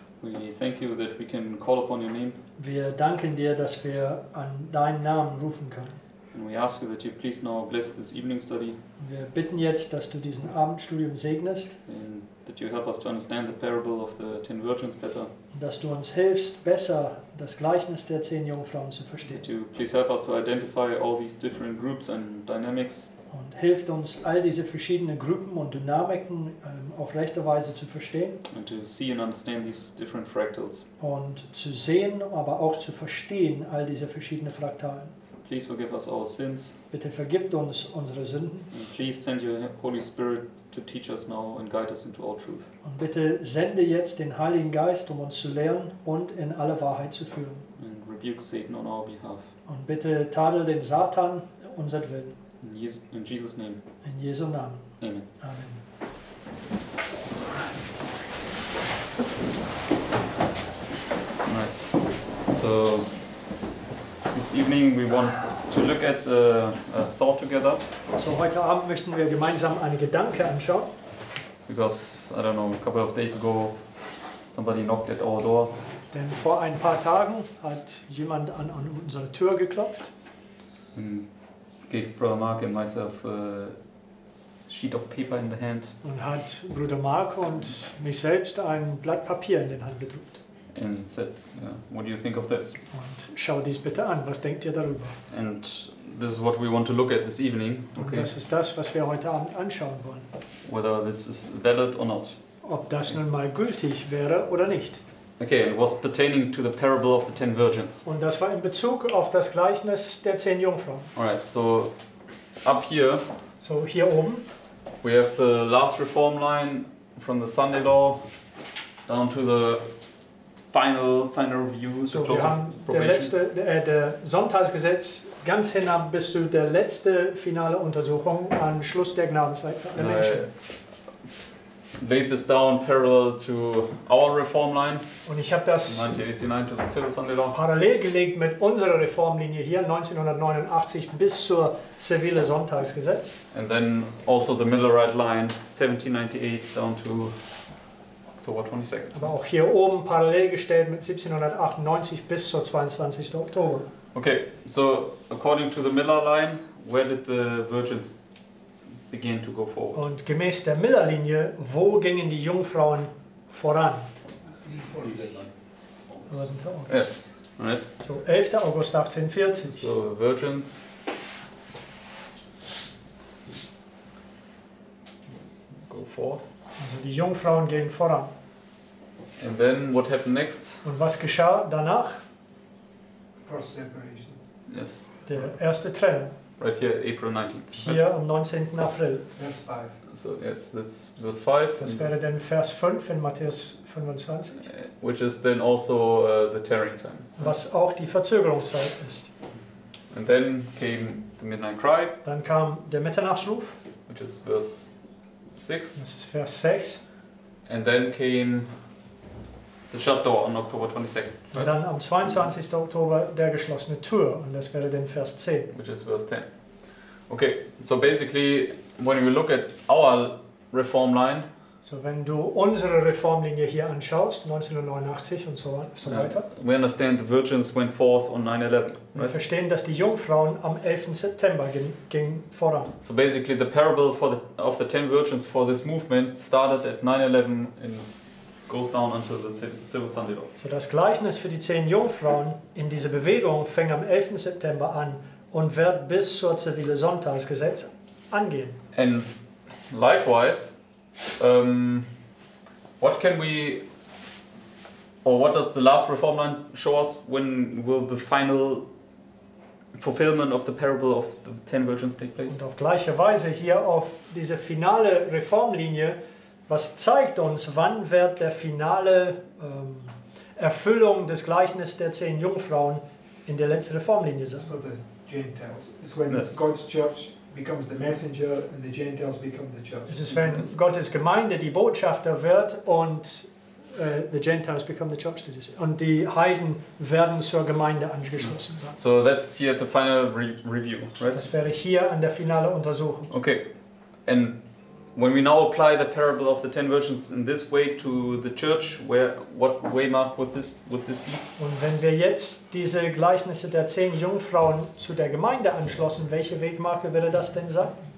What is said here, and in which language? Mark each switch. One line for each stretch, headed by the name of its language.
English: We thank you that we can call upon your name.
German: Wir danken dir, dass wir an deinen Namen rufen können.
English: And we ask you that you please now bless this evening study.
German: Wir bitten jetzt, dass du diesen Abendstudium segnest.
English: And that you help us to understand the parable of the 10 virgins better.
German: Dass du uns hilfst, besser das Gleichnis der 10 Jungfrauen zu verstehen.
English: That you please help us to identify all these different groups and dynamics.
German: Und hilft uns, all diese verschiedenen Gruppen und Dynamiken auf rechte Weise zu verstehen.
English: And to see and understand these different fractals.
German: Und zu sehen, aber auch zu verstehen, all diese verschiedenen Fraktalen.
English: Please forgive us our sins.
German: Bitte vergib uns unsere Sünden.
English: And please send your Holy Spirit to teach us now and guide us into all truth.
German: Und bitte sende jetzt den Heiligen Geist, um uns zu lehren und in alle Wahrheit zu führen.
English: And rebuke Satan on our behalf.
German: Und bitte tadel den Satan unsertwillen.
English: In Jesus' name.
German: In Jesu Namen.
English: Amen.
German: Amen.
English: Right. So this evening we want to look at a thought together.
German: So heute Abend möchten wir gemeinsam einen Gedanke anschauen.
English: Because I don't know, a couple of days ago somebody knocked at our door.
German: Denn vor ein paar Tagen hat jemand an unsere Tür geklopft.
English: Gave Brother Mark and myself a sheet of paper in the hand.
German: Und hat Bruder Mark und mich selbst ein Blatt Papier in den Hand gedrückt.
English: And said, what do you think of this?
German: Und schau dies bitte an, was denkt ihr darüber?
English: And this is what we want to look at this evening.
German: Okay. Und das ist das, was wir heute Abend anschauen wollen.
English: Whether this is valid or not.
German: Ob das nun mal gültig wäre oder nicht.
English: Okay, it was pertaining to the parable of the 10 virgins.
German: Und das war in Bezug auf das Gleichnis der 10 Jungfrauen.
English: Alright, so up here.
German: So hier oben.
English: We have the last reform line from the Sunday law down to the final review.
German: So wir haben der Sonntagsgesetz ganz hinab bis zu der letzte finale Untersuchung an Schluss der Gnadenzeit für alle Menschen.
English: Laid this down parallel to our reform line.
German: Und ich habe das
English: 1989 to the Civil Sunday Law.
German: Parallel gelegt mit unserer Reformlinie hier 1989 bis zur zivile Sonntagsgesetz.
English: And then also the Millerite line 1798 down to October 22nd.
German: Aber auch hier oben parallel gestellt mit 1798 bis zur 22. Oktober.
English: Okay, so according to the Miller line, where did the virgins begin to go forward?
German: Und gemäß der Miller-Linie, wo gingen die Jungfrauen voran?
English: Yes, right.
German: So 11. August 1840.
English: So virgins. Go forth.
German: Also die Jungfrauen gehen voran.
English: And then what happened next?
German: Und was geschah danach?
English: First separation. Yes.
German: Der erste Trennung.
English: Right here, April 19th.
German: Hier am 19. April. Vers 5.
English: So, yes, that's verse 5.
German: Das wäre dann Vers 5 in Matthäus 25.
English: Which is then also the tearing time.
German: Was auch die Verzögerungszeit ist.
English: And then came the midnight cry.
German: Dann kam der Mitternachtsruf.
English: Which is verse 6.
German: Das ist Vers 6.
English: And then came the shut door on October 22nd.
German: Right? Und dann am 22. Oktober der geschlossene Tür, und das wäre dann Vers 10.
English: Which is verse 10. Okay, so basically, when we look at our reform line.
German: So wenn du unsere Reformlinie hier anschaust, 1989 und so weiter.
English: We understand the virgins went forth on 9/11. Right?
German: Wir verstehen, dass die Jungfrauen am 11. September ging voran.
English: So basically, the parable of the 10 virgins for this movement started at 9/11 in goes down until the Civil Sunday Law.
German: So das Gleichnis für die 10 Jungfrauen in dieser Bewegung fängt am 11. September an und wird bis zur zivile Sonntagsgesetz angehen.
English: And likewise, what can we, or what does the last reform line show us, when will the final fulfillment of the parable of the 10 virgins take place?
German: Und auf gleiche Weise hier auf diese finale Reformlinie, was zeigt uns, wann wird der finale Erfüllung des Gleichnisses der 10 Jungfrauen in der letzten Reformlinie sein?
English: It's for the Gentiles. It's when God's church becomes the messenger and the Gentiles become the church.
German: Es ist, wenn Gottes Gemeinde die Botschafter wird und
English: the Gentiles become the church.
German: Und die Heiden werden zur Gemeinde angeschlossen sein.
English: So that's here at the final review, right?
German: Das wäre hier an der finale Untersuchung.
English: Okay. And when we now apply the parable of the ten virgins in this way to the church, where what way mark would this be?
German: Und wenn wir jetzt diese Gleichnisse der zehn Jungfrauen zu der Gemeinde anschlossen, welche Wegmarke würde das denn sein?